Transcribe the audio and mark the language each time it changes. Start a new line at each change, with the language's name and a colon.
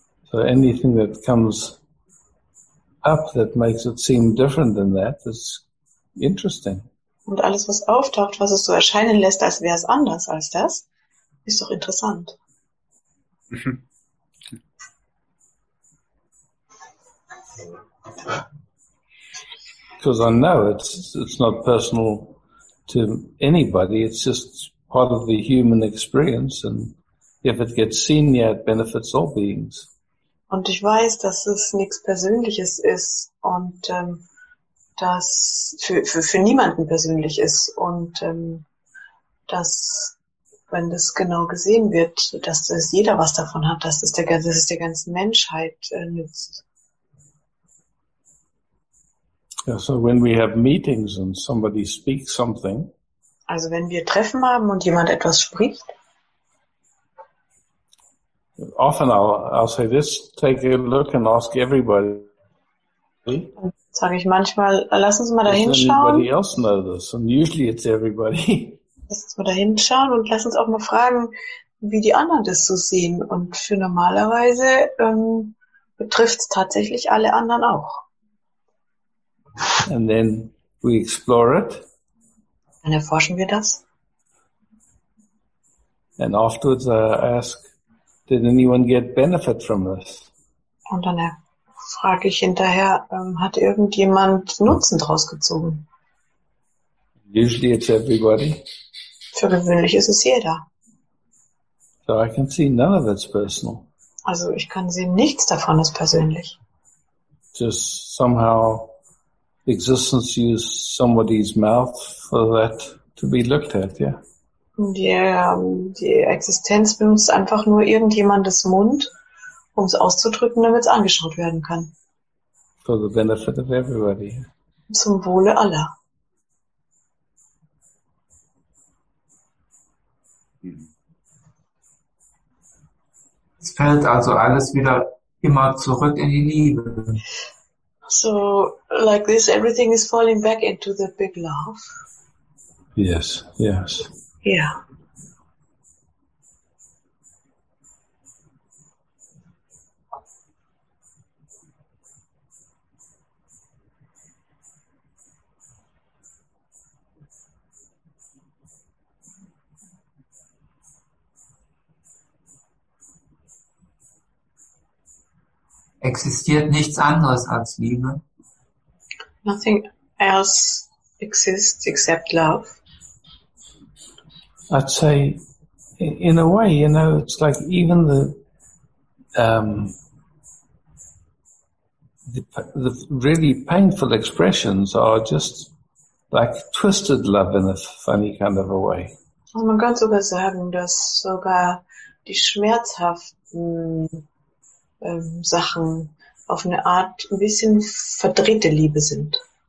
English: So anything that comes up that makes it seem different than that is interesting.
German: Und alles, was auftaucht, was es so erscheinen lässt, als wäre es anders als das, ist doch interessant.
English: Because I know it's not personal to anybody, it's just part of the human experience, and if it gets seen, yeah, it benefits all beings.
German: Und ich weiß, dass es nichts Persönliches ist und das für niemanden persönlich ist und dass, wenn das genau gesehen wird, dass das jeder was davon hat, dass es der ganzen Menschheit nützt.
English: Yeah, so when we have meetings and somebody speaks something.
German: Also wenn wir Treffen haben und jemand etwas spricht.
English: Often I'll say this, take a look and ask everybody.
German: Dann sage ich manchmal, lass uns mal da hinschauen.
English: Does anybody else know this? And usually it's everybody.
German: Lass uns mal da hinschauen und lass uns auch mal fragen, wie die anderen das so sehen. Und für normalerweise betrifft es tatsächlich alle anderen auch.
English: And then we explore it.
German: Dann erforschen wir das.
English: And afterwards I ask, did anyone get benefit from this?
German: Und dann frage ich hinterher, hat irgendjemand Nutzen draus gezogen?
English: Usually it's everybody.
German: Für gewöhnlich ist es jeder.
English: So I can see none of it's personal.
German: Also ich kann sehen, nichts davon ist persönlich.
English: Just somehow existence used somebody's mouth for that to be looked at, yeah.
German: Die Existenz benutzt einfach nur irgendjemandes Mund, um es auszudrücken, damit es angeschaut werden kann.
English: For the benefit of everybody.
German: Zum Wohle aller. Es fällt also alles wieder immer zurück in die Liebe.
English: So, like this, everything is falling back into the big love. Yes, yes. Yeah.
German: Existiert nichts anderes als Liebe.
English: Nothing else exists except love. I'd say, in a way, you know, it's like even the really painful expressions are just like twisted love in a funny kind of a way.
German: Also man kann sogar sagen, dass sogar die schmerzhaften Sachen auf eine Art ein bisschen verdrehte Liebe sind.